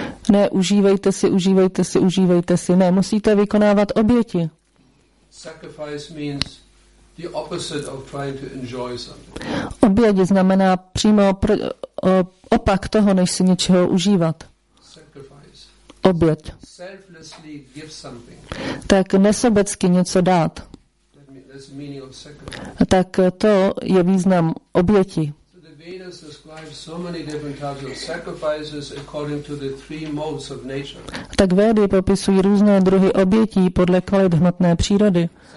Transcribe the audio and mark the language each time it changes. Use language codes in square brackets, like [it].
[cs] Ne, užívejte si. Ne, musíte vykonávat oběti. [en] Sacrifice means the opposite of trying to enjoy something. [cs] Oběť znamená přímo opak toho, než si něčeho užívat. Oběť. [en] Selflessly give something. [cs] Tak nesobecky něco dát. [en] That's the meaning of sacrifice. [cs] Tak to je význam oběti. [en] So the Vedas describe so many different types of sacrifices according to the three modes of nature. [cs] Tak Védy popisují různé druhy obětí podle kvalit hmotné přírody.